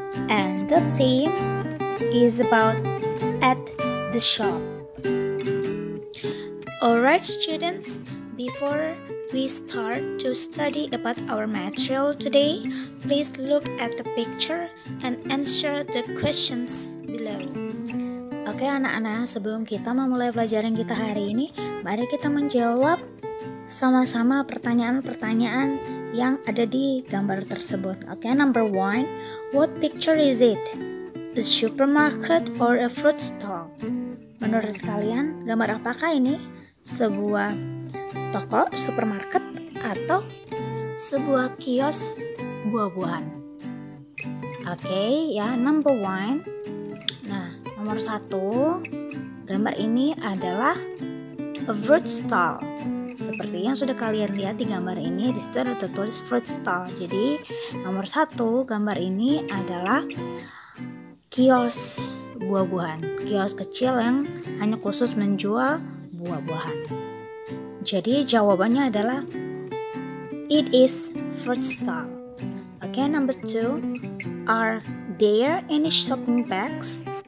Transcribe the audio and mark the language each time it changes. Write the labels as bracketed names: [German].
[English] And the theme is about at the shop. Alright, students, before we start to study about our material today, please look at the picture and answer the questions below. [Indonesian] Oke, anak-anak, sebelum kita memulai pelajaran kita hari ini, mari kita menjawab sama-sama pertanyaan-pertanyaan yang ada di gambar tersebut. [English] Oke, number one, what picture is it? A supermarket or a fruit stall? [Indonesian] Menurut kalian, gambar apakah ini? Sebuah toko, supermarket, atau sebuah kios buah-buahan? [English] Okay, ya, number one. [Indonesian] Nah, nomor satu, gambar ini adalah [English] a fruit stall. [Indonesian] Seperti yang sudah kalian lihat di gambar ini, di situ ada tertulis fruit stall. Jadi, nomor satu, gambar ini adalah kios buah-buahan. Kios kecil yang hanya khusus menjual buah-buahan. Jadi jawabannya adalah [English] it is fruit stall. Okay, number two, are there any shopping bags?